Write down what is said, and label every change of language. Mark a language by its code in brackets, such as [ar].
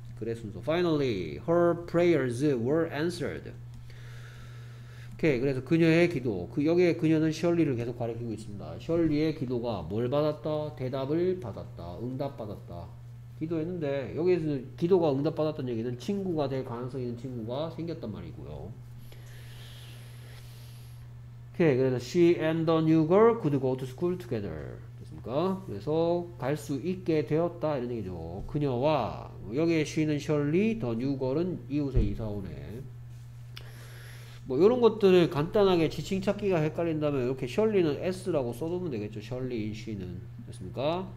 [ko] 글의 순서 [en] finally her prayers were answered. [ko] 오케이. 그래서 그녀의 기도 여기에 그녀는 셜리를 계속 가리키고 있습니다. 셜리의 기도가 뭘 받았다? 대답을 받았다. 응답 받았다. 기도했는데 여기에서 기도가 응답받았던 얘기는 친구가 될 가능성이 있는 친구가 생겼단 말이고요. 오케이. 그래서 [en] she and the new girl could go to school together. [ko] 됐습니까? 그래서 갈 수 있게 되었다 이런 얘기죠. 그녀와 여기에 she는 Shirley, the new girl은 이웃에 이사오네. 뭐 이런 것들을 간단하게 지칭 찾기가 헷갈린다면 이렇게 Shirley는 S라고 써두면 되겠죠. Shirley, she는. 됐습니까?